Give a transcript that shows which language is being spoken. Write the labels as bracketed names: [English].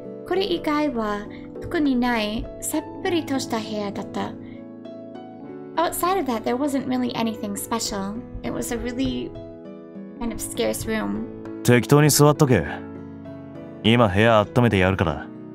[Japanese] これ以外は特にないさっぱりとした部屋だった。 [English] Outside of that, there wasn't really anything special. It was a really kind of scarce room. [Japanese] 適当に座っとけ。今部屋温めてやるから。